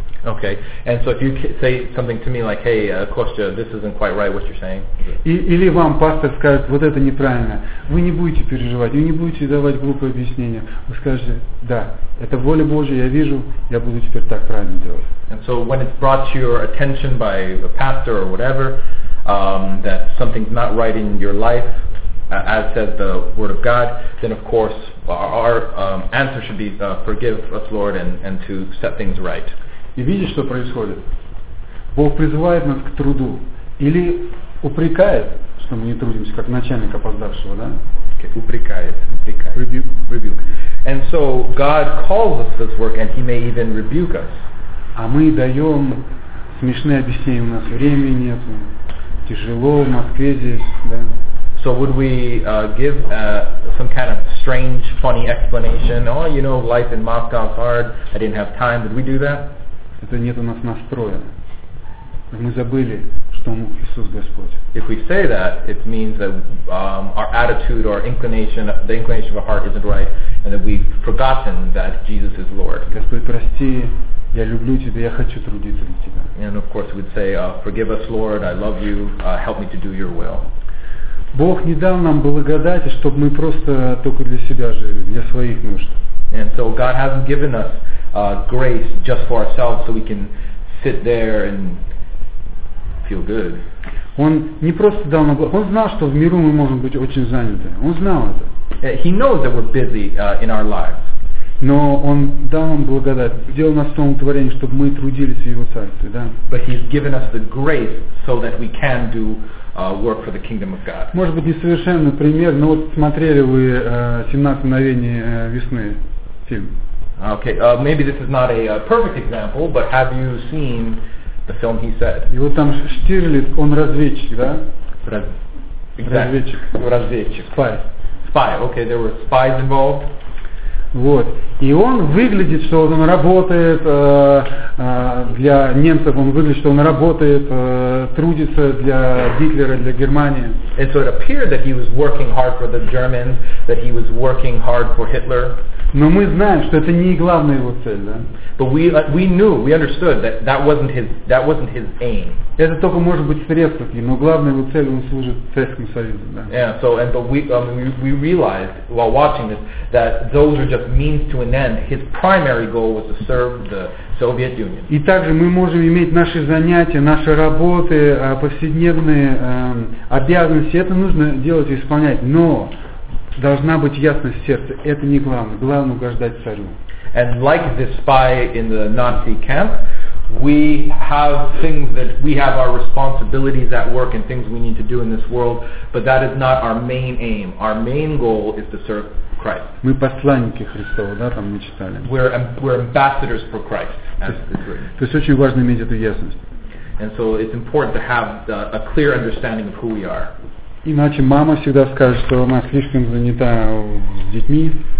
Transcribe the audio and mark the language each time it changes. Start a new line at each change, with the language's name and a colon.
English: Okay, and so if you say something to me like, "Hey, Костя, this isn't quite right. What you're saying?"
Russian: Или вам пастор скажет, вот это неправильно. Вы не будете переживать, вы не будете давать глупые объяснения. Вы скажете, да, это воля Божия. Я вижу, я буду теперь так правильно делать.
English: And so when it's brought to your attention by a pastor or whatever that something's not right in your life, as says the Word of God, then of course our answer should be, "Forgive us, Lord, and to set things right."
Russian: И видишь, что происходит? Бог призывает нас к труду. Или упрекает, что мы не трудимся, как начальник опоздавшего, да?
English: Okay, упрекает. Rebuke. And so God calls us to this work, and He may even rebuke us.
Russian: А мы даем смешные объяснения, у нас времени нет, тяжело, в Москве здесь, да?
English: So would we give some kind of strange, funny explanation? Oh, you know, life in Moscow is hard, I didn't have time, would we do that?
Russian: Это нет у нас настроя. Мы забыли, что Он Иисус Господь.
English: If we say that, it means that our attitude or inclination, the inclination of our heart isn't right, and that we've forgotten that Jesus is Lord.
Russian: Господь, прости, я люблю тебя, я хочу трудиться для тебя.
English: And of course we'd say, forgive us, Lord, I love you, help me to do your will.
Russian: Бог не дал нам благодати, чтобы мы просто только для себя жили, для своих нужд.
English: And so God hasn't given us grace just for ourselves so we can sit there and feel good.
Russian: Он не просто дал нам, он знал, что в миру мы можем быть очень заняты. Он знал это.
English: He knows that we're busy in our lives.
Russian: Но он дал нам благодать, сделал нас новым творением, чтобы мы трудились в его царстве, да?
English: But he's given us the grace so that we can do work for the kingdom of God.
Russian: Может быть, несовершенный пример, но вот смотрели вы 17 мгновений весны фильм.
English: Okay, maybe this is not a perfect example, but have you seen the film He Said?
Russian: И вот там Штирлиц, он разведчик, да? Разведчик. Разведчик. Спай.
English: Okay, there were spies involved.
Russian: Вот. И он выглядит, что он работает для немцев, он выглядит, что он работает, трудится для Гитлера, для Германии.
English: And so it appeared that he was working hard for the Germans, that he was working hard for Hitler.
Russian: Но мы знаем, что это не главная его цель, да?
English: But we knew, we understood that wasn't his aim.
Russian: Это только может быть средство, но главная его цель, он служит Советскому Союзу, да?
English: Yeah, so, and, but we realized while watching this that those are just means to an end, his primary goal was to serve the Soviet Union.
Russian: И также мы можем иметь наши занятия, наши работы, повседневные обязанности. Это нужно делать и исполнять, но должна быть ясность в сердце. Это не главное. Главное угождать царю.
English: And like the spy in the Nazi camp, we have things that we have our responsibilities at work and things we need to do in this world, but that is not our main aim. Our main goal is to serve Christ.
Russian: Мы посланники Христова, да, там мы читали.
English: We're ambassadors for Christ.
Russian: То есть очень важно иметь эту ясность.
English: And so it's important to have a clear understanding of who we are.
Russian: Иначе мама всегда скажет, что она слишком занята с детьми.